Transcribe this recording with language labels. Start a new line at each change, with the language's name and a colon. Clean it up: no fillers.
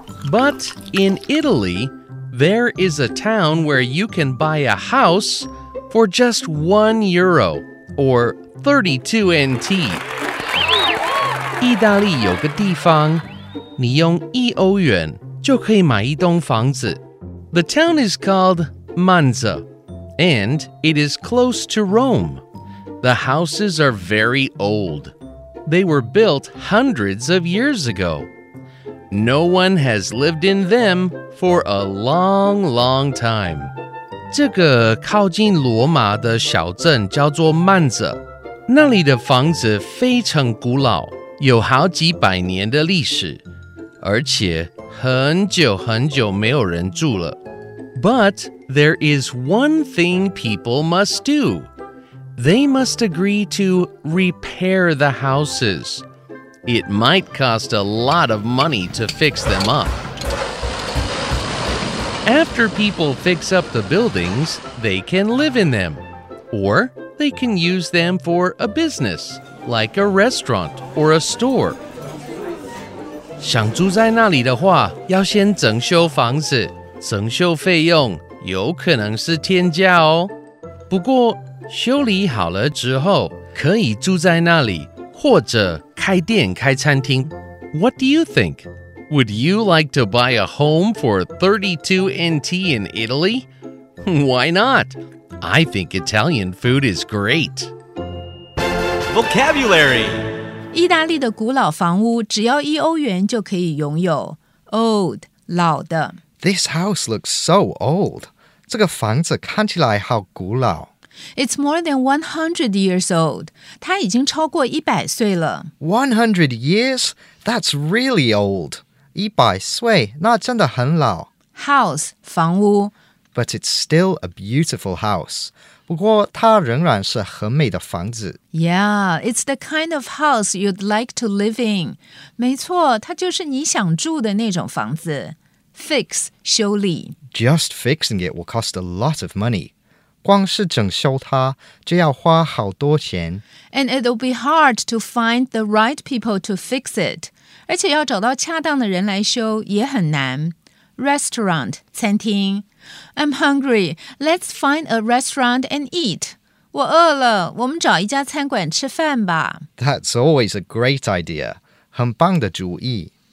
English: But in Italy, there is a town where you can buy a house for just 1 euro, or 32 NT.
Chinese: 義大利有個地方，你用一歐元就可以買一棟房子。
English: The town is called Maenza, and it is close to Rome. The houses are very old. They were built hundreds of years ago. No one has lived in them for a long, long time.
Chinese: 這個靠近羅馬的小鎮叫做曼澤，那裡的房子非常古老，有好幾百年的歷史，而且很久很久沒有人住了。
English: But there is one thing people must do. They must agree to repair the houses. It might cost a lot of money to fix them up. After people fix up the buildings, they can live in them. Or they can use them for a business, like a restaurant or a store.
Chinese: 想住在那里的话，要先整修房子，整修费用有可能是天价哦。不过，修理好了之后，可以住在那里，或者开店开餐厅。
English: What do you think? Would you like to buy a home for 32 NT in Italy? Why not? I think Italian food is great. Vocabulary.
Chinese: 義大利的古老房屋只要一歐元就可以擁有。 Old, 老的。
English: This house looks so old.
Chinese: 這個房子看起來好古老。
English: It's more than 100 years old.
Chinese: 它已經超過100歲了。
English: 100 years? That's really old.
Chinese: 一百岁，那真的很老。 House, 房屋。
English: But it's still a beautiful house.
Chinese: 不过它仍然是很美的房子。
English: Yeah, it's the kind of house you'd like to live in.
Chinese: 没错，它就是你想住的那种房子。 Fix, 修理。
English: Just fixing it will cost a lot of money.
Chinese: 光是整修它就要花好多钱。
English: And it'll be hard to find the right people to fix it.
Chinese: 而且要找到恰当的人来修也很难。
English: Restaurant, 餐厅。I'm hungry. Let's find a restaurant and eat.
Chinese: 我饿了，我们找一家餐馆吃饭吧。
English: That's always a great idea.
Chinese: 很棒的主意。